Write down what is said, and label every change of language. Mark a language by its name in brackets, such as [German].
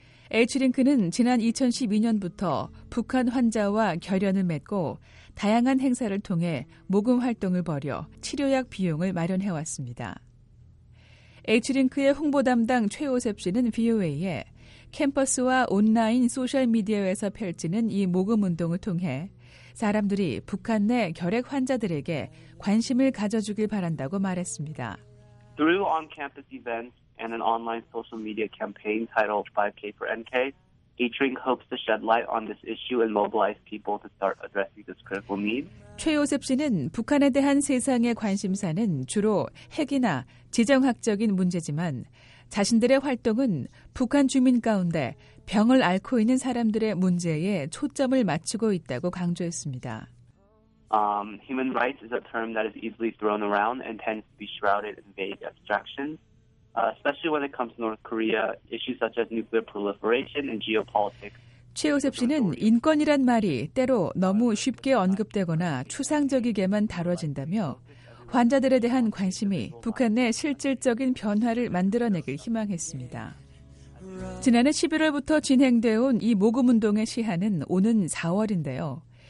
[Korean] H링크는 지난 2012년부터 북한 환자와 결연을 맺고 다양한 행사를 통해 모금 활동을 벌여 치료약 비용을 마련해왔습니다. H링크의 홍보 담당 최오셉 씨는 VOA에 캠퍼스와 온라인 소셜미디어에서 펼치는 이 모금 운동을 통해 사람들이 북한 내 결핵 환자들에게 관심을 가져주길 바란다고 말했습니다. [English] Through on-campus events and an online social media campaign titled 5K for NK, H-Link hopes to shed light on this issue and mobilize people to start addressing this critical need. [Korean] 최오셉 씨는 북한에 대한 세상의 관심사는 주로 핵이나 지정학적인 문제지만 자신들의 활동은 북한 주민 가운데 병을 앓고 있는 사람들의 문제에 초점을 맞추고 있다고 강조했습니다. [English] Human rights is a term that is easily thrown around and tends to be shrouded in vague abstractions. especially when it comes to North Korea, issues such as nuclear proliferation and geopolitics. [Korean] 최호섭 씨는 인권이란 말이 때로 너무 쉽게 언급되거나 추상적이게만 다뤄진다며 환자들에 대한 관심이 북한 내 실질적인 변화를 만들어내길 희망했습니다. 지난해 11월부터 진행되어온 이 모금운동의 시한은 오는 4월인데요.